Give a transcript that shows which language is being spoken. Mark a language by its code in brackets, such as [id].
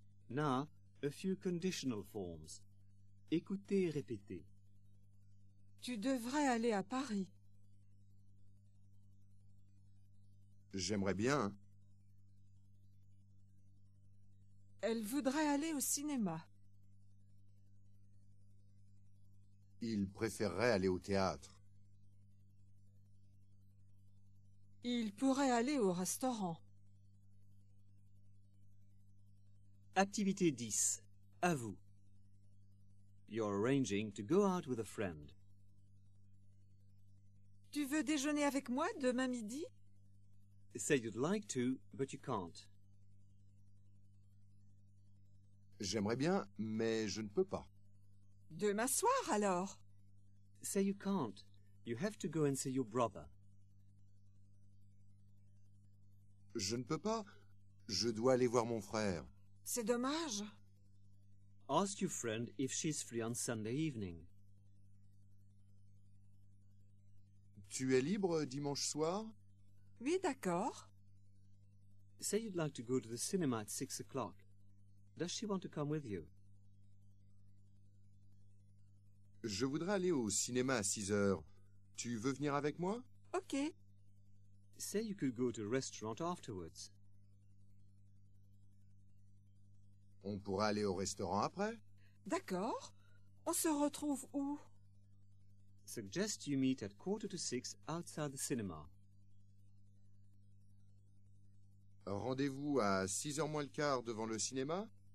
[en] Now, a few conditional forms. [fr] Écoutez et répétez. Tu devrais aller à Paris. J'aimerais bien. Elle voudrait aller au cinéma. Il préférerait aller au théâtre. Il pourrait aller au restaurant. Activité 10. À vous. [en] You're arranging to go out with a friend. [fr] Tu veux déjeuner avec moi demain midi? [en] Say you'd like to, but you can't. [fr] J'aimerais bien, mais je ne peux pas. Demain soir, alors? [en] Say you can't. You have to go and see your brother. [fr] Je ne peux pas. Je dois aller voir mon frère. C'est dommage. [en] Ask your friend if she's free on Sunday evening. [fr] Tu es libre dimanche soir? Oui, d'accord. [en] Say you'd like to go to the cinema at 6 o'clock. Does she want to come with you? [fr] Je voudrais aller au cinéma à 6 heures. Tu veux venir avec moi? Ok. [en] Say you could go to a restaurant afterwards. [fr] On pourrait aller au restaurant après? D'accord. On se retrouve où? [en] Suggest you meet at 5:45 outside the cinema. [fr] Rendez-vous à 6:15 devant le cinéma?